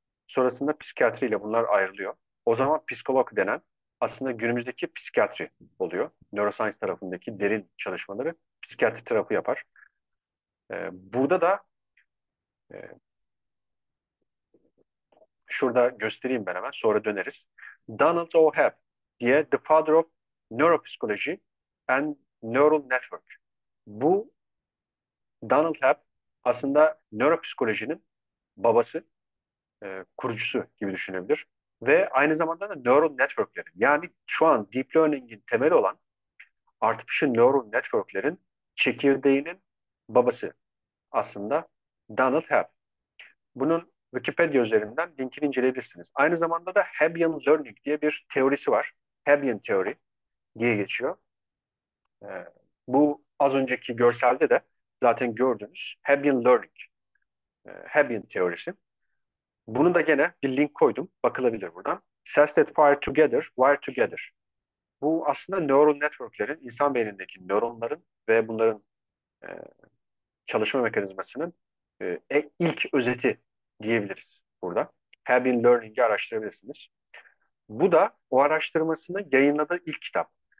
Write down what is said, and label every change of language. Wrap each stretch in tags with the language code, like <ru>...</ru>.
<tr>Sonrasında psikiyatriyle bunlar ayrılıyor. O zaman psikolog denen aslında günümüzdeki psikiyatri oluyor. Neuroscience tarafındaki derin çalışmaları psikiyatri tarafı yapar. Burada da şurada göstereyim ben hemen, sonra döneriz. Donald O. Hebb diye</tr> <en>The Father of Neuropsychology and Neural Network.</en> <tr>Bu Donald Hebb aslında nöropsikolojinin babası, kurucusu gibi düşünebilir. Ve aynı zamanda da neural networklerin, yani şu an deep learning'in temeli olan artificial neural networklerin çekirdeğinin babası aslında Donald Hebb. Bunun Wikipedia üzerinden linkini inceleyebilirsiniz. Aynı zamanda da Hebbian Learning diye bir teorisi var. Hebbian teori diye geçiyor. Bu az önceki görselde de zaten gördünüz. Hebbian Learning. Hebbian teorisi. Bunu da gene bir link koydum. Bakılabilir buradan.</tr> <en>Cells that fire together, wire together.</en> <tr>Bu aslında neural networklerin, insan beynindeki nöronların ve bunların çalışma mekanizmasının ilk özeti diyebiliriz burada. Hebbian Learning'i araştırabilirsiniz. Bu da o araştırmasını yayınladığı ilk kitap.</tr>